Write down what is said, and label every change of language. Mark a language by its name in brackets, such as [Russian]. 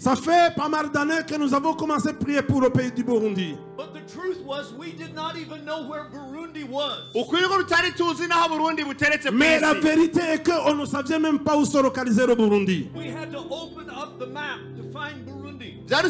[French] Ça fait pas mal d'années que nous avons commencé à prier pour le pays du Burundi. [English] But the truth was, we did not even know where Burundi was. [French] Mais la vérité est que on ne savait même pas où se localiser le Burundi. [English] We had to open up the map to find Burundi.